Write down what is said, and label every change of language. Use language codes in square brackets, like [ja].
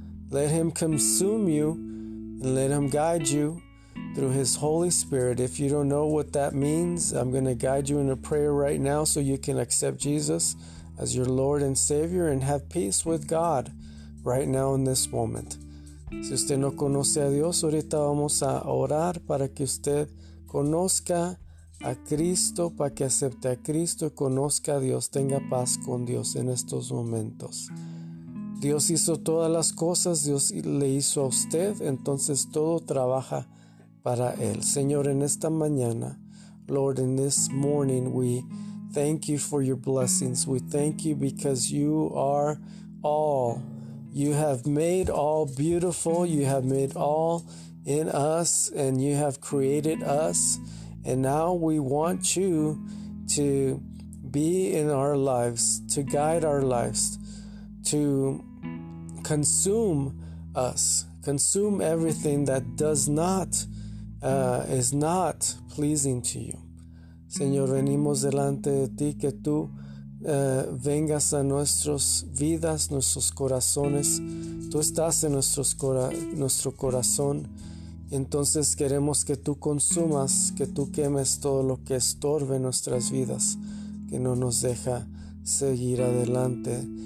[en] Let Him consume you and let Him guide you through His Holy Spirit. If you don't know what that means, I'm going to guide you in a prayer right now so you can accept Jesus as your Lord and Savior and have peace with God right now in this moment. [es] Si usted no conoce a Dios, ahorita vamos a orar para que usted conozca a Cristo, para que acepte a Cristo y conozca a Dios, tenga paz con Dios en estos momentos. Dios hizo todas las cosas, Dios le hizo a usted, entonces todo trabaja para Él. Señor, en esta mañana, [en] Lord, in this morning, we thank You for Your blessings. We thank You because You are all. You have made all beautiful. You have made all in us, and You have created us. And now we want You to be in our lives, to guide our lives, to consume us, consume everything that does not is not pleasing to You. [es] Señor, venimos delante de Ti, que Tú vengas a nuestras vidas, nuestros corazones. Tú estás en nuestro corazón. Entonces queremos que Tú consumas, que Tú quemes todo lo que estorbe nuestras vidas, que no nos deja seguir adelante.